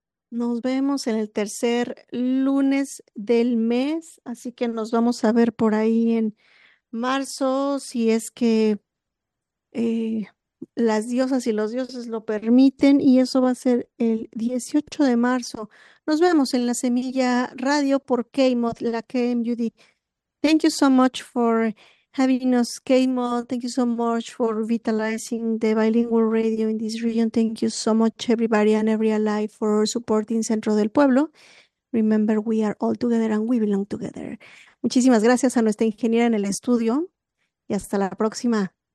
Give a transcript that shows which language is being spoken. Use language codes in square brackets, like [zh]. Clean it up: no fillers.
[es] Nos vemos en el tercer lunes del mes, así que nos vamos a ver por ahí en marzo, si es que las diosas y los dioses lo permiten, y eso va a ser el 18 de marzo. Nos vemos en la Semilla Radio por K-Mod, la KMUD. [en] Thank you so much for having us, K-Mod. Thank you so much for vitalizing the bilingual radio in this region. Thank you so much, everybody and every ally, for supporting Centro del Pueblo. Remember, we are all together and we belong together. [es] Muchísimas gracias a nuestra ingeniera en el estudio y hasta la próxima.